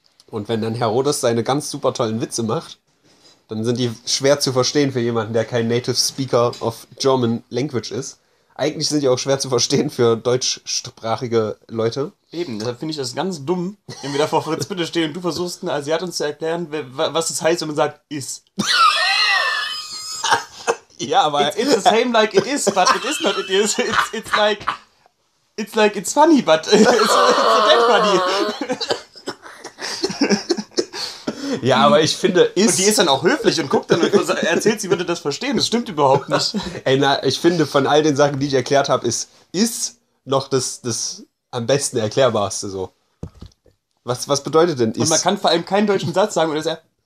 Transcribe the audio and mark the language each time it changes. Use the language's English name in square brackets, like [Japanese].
[German] Und wenn dann Herr Rodes seine ganz super tollen Witze macht, dann sind die schwer zu verstehen für jemanden, der kein [English] Native Speaker of German Language [German] ist. Eigentlich sind die auch schwer zu verstehen für deutschsprachige Leute. Eben, deshalb finde ich das ganz dumm, wenn wir da vor Fritz Bitte stehen und du versuchst, einen Asiaten zu erklären, was es heißt, wenn man sagt, is. Ja, aber [English] it's the same like it is, but it is not it is. It's like it's funny, but it's not funny. [German] Ja, aber ich finde, ist... Und die ist dann auch höflich und guckt dann und erzählt, sie würde das verstehen. Das stimmt überhaupt nicht. Ey, na, ich finde, von all den Sachen, die ich erklärt habe, ist noch das am besten Erklärbarste so. Was bedeutet denn ist? Und man kann vor allem keinen deutschen Satz sagen, oder ist er...